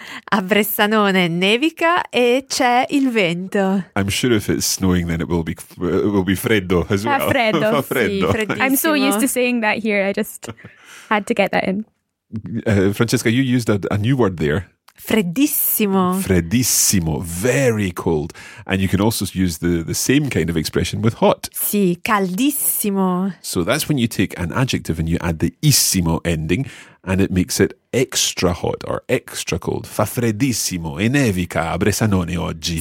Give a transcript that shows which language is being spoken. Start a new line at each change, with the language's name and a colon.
Italian: A Bressanone nevica e c'è il vento.
English: I'm sure if it's snowing then it will be freddo as well.
Italian: Fa freddo. Sì,
English: I'm so used to saying that here, I just had to get that in. Francesca, you used a new word there.
Italian: Freddissimo,
English: very cold. And you can also use the same kind of expression with hot.
Italian: Sì, caldissimo.
English: So that's when you take an adjective and you add the issimo ending and it makes it extra hot or extra cold.
Italian: Fa freddissimo e nevica a Bressanone oggi.